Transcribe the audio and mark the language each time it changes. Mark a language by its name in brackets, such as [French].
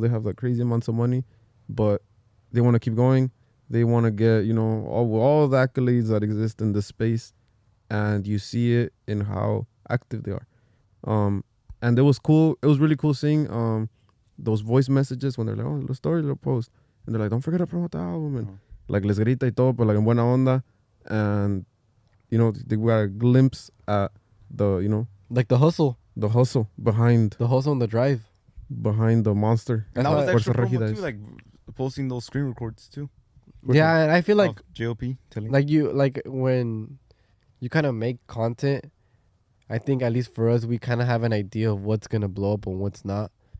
[English] They have like crazy amounts of money, but they want to keep going. They want to get, you know, all the accolades that exist in this space. And you see it in how active they are. And it was cool. It was really cool seeing those voice messages when they're like, oh, little story, little post. And they're like, don't forget to promote the album. And like, [Spanish] les grita y todo, pero like en buena onda. [English] And, you know, they got a glimpse at the, you know. Like the hustle. The hustle behind the hustle and the drive behind the monster. And that was extra promo too, like posting those screen records too. Yeah, and I feel like JOP telling, like, you like when you kind of make content, I think at least for us, we kind of have an idea of what's gonna blow up and what's not.